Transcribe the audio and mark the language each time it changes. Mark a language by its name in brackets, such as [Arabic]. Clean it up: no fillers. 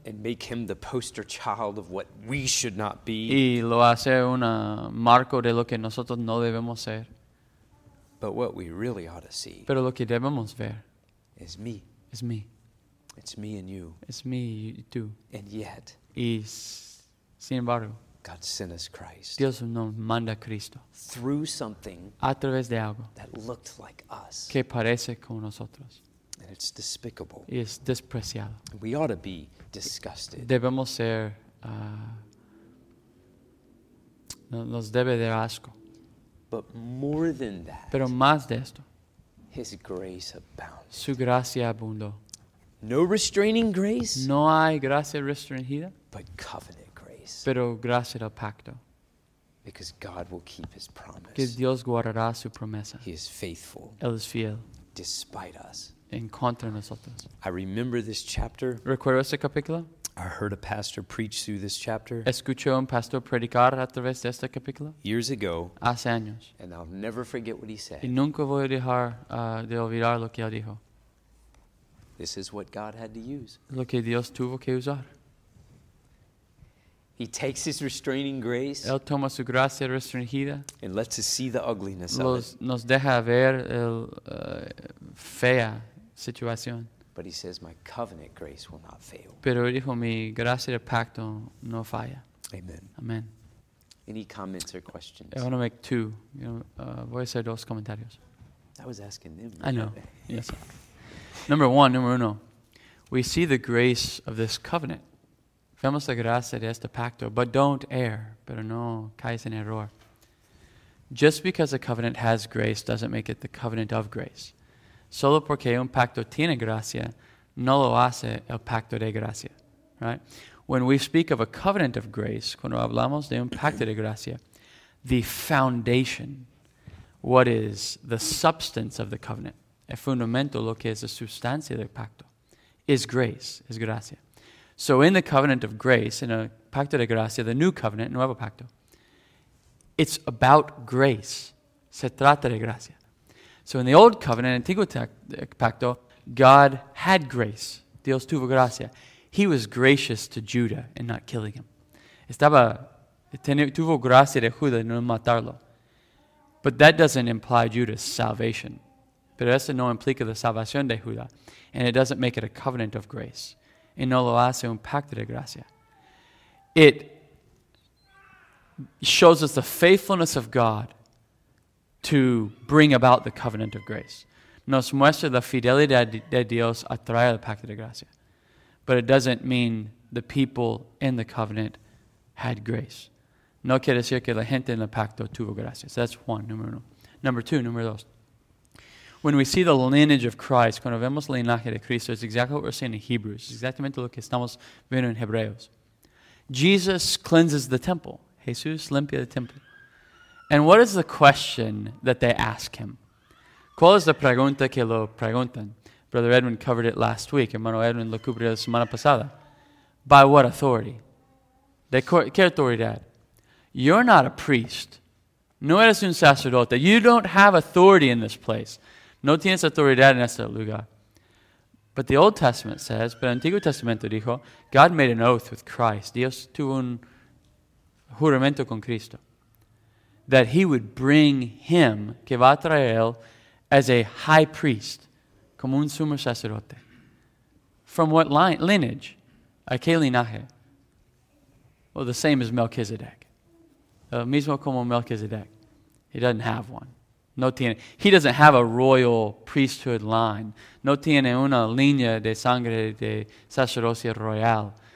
[English] And make him the poster child of what we should not be. [Spanish] Y lo hace un marco de lo que nosotros no debemos ser. [English] But what we really ought to see. [Spanish] Pero lo que debemos ver. [English] Is me. [Spanish] Es me. [English] It's me and you. [Spanish] Es me y tú. [English] And yet. [Spanish] Y sin embargo. [English] God sent us Christ. [Spanish] Dios nos manda a Cristo. [English] Through something. [Spanish] A través de algo. [English] That looked like us. [Spanish] Que parece como nosotros. [English] And it's despicable. [Spanish] Y es despreciado. [English] And we ought to be disgusted. [Spanish] Debemos ser. Nos debe de asco. [English] But more than that. [Spanish] Pero más de esto. [English] His grace abounds. [Spanish] Su gracia abundó. [English] No restraining grace. [Spanish] No hay gracia restringida. [English] But covenant. [Spanish] Pero gracias al pacto. [English] Because God will keep his promise. [Spanish] Que Dios guardará su promesa. [English] He is faithful. [Spanish] Él es fiel. [English] Despite us. [Spanish] En contra de nosotros. [English] I remember this chapter. [Spanish] ¿Recuerdo este capítulo? [English] I heard a pastor preach through this chapter. [Spanish] Escuché un pastor predicar a través de este capítulo. [English] Years ago. [Spanish] Hace años. [English] And I'll never forget what he said. [Spanish] Y nunca voy a dejar de olvidar lo que él dijo. [English] This is what God had to use. [Spanish] Lo que Dios tuvo que usar. [English] He takes his restraining grace. [Spanish] Él toma su gracia restringida. [English] And lets us see the ugliness [Spanish] los, [English] of it. [Spanish] Nos deja ver el fea situación. [English] But he says, my covenant grace will not fail. [Spanish] Pero dijo, mi gracia de pacto no falla. [English] Amen. [Spanish] Amen. [English] Any comments or questions? I want to make two. You know, [Spanish] voy a hacer dos comentarios. [English] I was asking them. I know. Yes. Number one, number uno. We see the grace of this covenant. [Spanish] Vemos la gracia de este pacto. [English] But don't err. [Spanish] Pero no caes en error. [English] Just because a covenant has grace doesn't make it the covenant of grace. [Spanish] Solo porque un pacto tiene gracia, no lo hace el pacto de gracia, right? [English] When we speak of a covenant of grace, [Spanish] cuando hablamos de un pacto de gracia, [English] the foundation, what is the substance of the covenant, [Spanish] el fundamento, lo que es la sustancia del pacto, [English] is grace, is gracia. So in the covenant of grace, in [Spanish] a pacto de gracia, [English] the new covenant, nuevo pacto, it's about grace, [Spanish] se trata de gracia. [English] So in the old covenant, Antiguo Pacto, God had grace. [Spanish] Dios tuvo gracia. [English] He was gracious to Judah in not killing him. [Spanish] Estaba, tuvo gracia de Judah en no matarlo. [English] But that doesn't imply Judah's salvation. [Spanish] Pero eso no implica la salvación de Judah. [English] And it doesn't make it a covenant of grace. [Spanish] Y no lo hace un pacto de gracia. [English] It shows us the faithfulness of God to bring about the covenant of grace. [Spanish] Nos muestra la fidelidad de Dios a traer el pacto de gracia. [English] But it doesn't mean the people in the covenant had grace. [Spanish] No quiere decir que la gente en el pacto tuvo gracia. [English] So that's one, [Spanish] número uno. [English] Number two, [Spanish] número dos. [English] When we see the lineage of Christ, [Spanish] cuando vemos el linaje de Cristo, [English] it's exactly what we're seeing in Hebrews. [Spanish] It's exactamente lo que estamos viendo en Hebreos. [English] Jesus cleanses the temple. [Spanish] Jesús limpia el templo. [English] And what is the question that they ask him? [Spanish] ¿Cuál es la pregunta que lo preguntan? [English] Brother Edwin covered it last week. [Spanish] Hermano Edwin lo cubrió la semana pasada. [English] By what authority? [Spanish] ¿De qué autoridad? [English] You're not a priest. [Spanish] No eres un sacerdote. [English] You don't have authority in this place. [Spanish] No tienes autoridad en este lugar. [English] But the Old Testament says, [Spanish] pero el Antiguo Testamento dijo, [English] God made an oath with Christ. [Spanish] Dios tuvo un juramento con Cristo. [English] That he would bring him, [Spanish] que va a traer él, [English] as a high priest, [Spanish] como un sumo sacerdote. [English] From what line, lineage? [Spanish] ¿A qué linaje? [English] Well, the same as Melchizedek. [Spanish] El mismo como Melchizedek. [English] He doesn't have one. [Spanish] No tiene. [English] He doesn't have a royal priesthood line. [Spanish] No tiene una línea de sangre de sacerdocia royal.